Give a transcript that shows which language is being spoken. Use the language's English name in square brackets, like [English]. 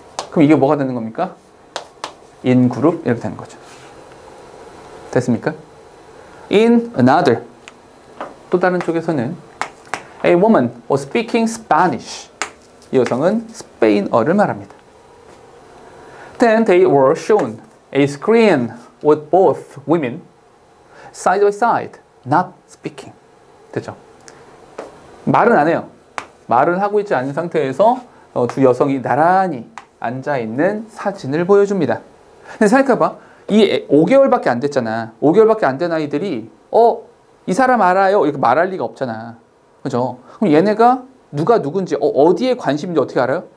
[Korean] 그럼 이게 뭐가 되는 겁니까? In group 이렇게 되는 거죠. 됐습니까? [English] In another [Korean] 또 다른 쪽에서는 [English] A woman was speaking Spanish. [Korean] 이 여성은 스페인어를 말합니다. [English] Then they were shown a screen with both women side by side, not speaking. [Korean] 됐죠? 말은 안 해요. 말은 하고 있지 않은 상태에서 두 여성이 나란히 앉아 있는 사진을 보여줍니다. 근데 생각해봐. 이 5개월밖에 안 됐잖아. 5개월밖에 안 된 아이들이, 이 사람 알아요? 이렇게 말할 리가 없잖아. 그죠? 그럼 얘네가 누가 누군지, 어디에 관심인지 어떻게 알아요?